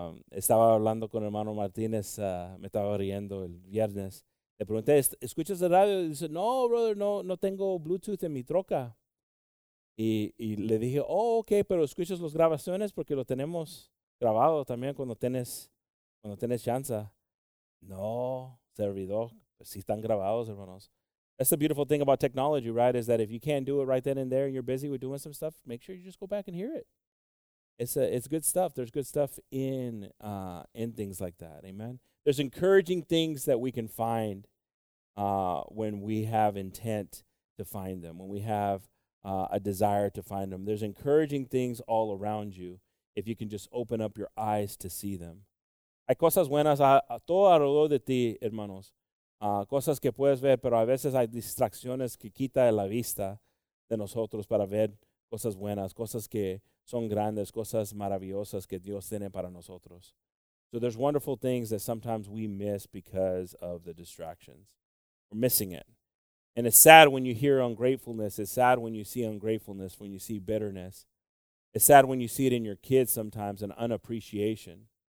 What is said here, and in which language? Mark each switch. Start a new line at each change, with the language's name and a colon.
Spanish: Estaba hablando con el hermano Martínez. Me estaba riendo el viernes. Le pregunté, ¿escuchas el radio? Y dice, no, brother, no tengo Bluetooth en mi troca. Y le dije, oh, ok, pero ¿escuchas las grabaciones? Porque lo tenemos grabado también cuando tienes chance. No, servidor, si están grabados, hermanos.
English: That's the beautiful thing about technology, right, is that if you can't do it right then and there, and you're busy with doing some stuff, make sure you just go back and hear it. It's good stuff. There's good stuff in things like that, amen? There's encouraging things that we can find when we have intent to find them, when we have a desire to find them. There's encouraging things all around you if you can just open up your eyes to see them.
Spanish: Hay cosas buenas a todo alrededor de ti, hermanos. Cosas que puedes ver, pero a veces hay distracciones que quita la vista de nosotros para ver cosas buenas, cosas que son grandes, cosas maravillosas que Dios tiene para nosotros.
English: So there's wonderful things that sometimes we miss because of the distractions. We're missing it. And it's sad when you hear ungratefulness. It's sad when you see ungratefulness, when you see bitterness. It's sad when you see it in your kids sometimes, an unappreciation.